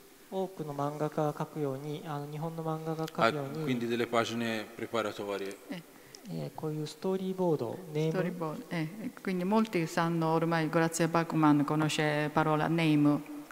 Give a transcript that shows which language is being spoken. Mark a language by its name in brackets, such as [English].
[Japanese] 多くの漫画家が描くように、日本の漫画が描くように。 [Italian] Quindi delle pagine preparatorie. [Japanese] こういうストーリーボード、ネーム。quindi [Italian] molti sanno ormai, grazie a Bakuman, conosce parola name.